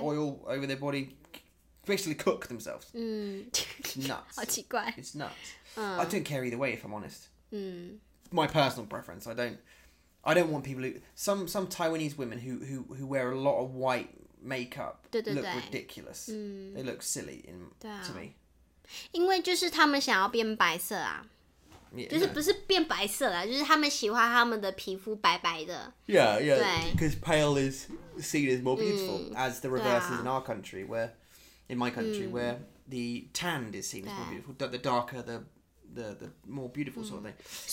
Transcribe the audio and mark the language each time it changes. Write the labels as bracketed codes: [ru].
[en] Oil over their body, basically cook themselves. Nuts. [zh] 好奇怪。 [en] It's nuts. I don't care either way, if I'm honest. Mm. My personal preference. I don't want people who some Taiwanese women who wear a lot of white makeup [zh] 对 [en] look ridiculous. They look silly in [zh] 对啊, [en] to me. [zh] 因为就是他们想要变白色啊。 [en] Yeah, [zh] 就是不是变白色啦，就是他们喜欢他们的皮肤白白的。 [en] Yeah, yeah. Because pale is seen as more beautiful, as the reverse is in our country, where the tanned is seen as more beautiful. The darker, the more beautiful sort of thing.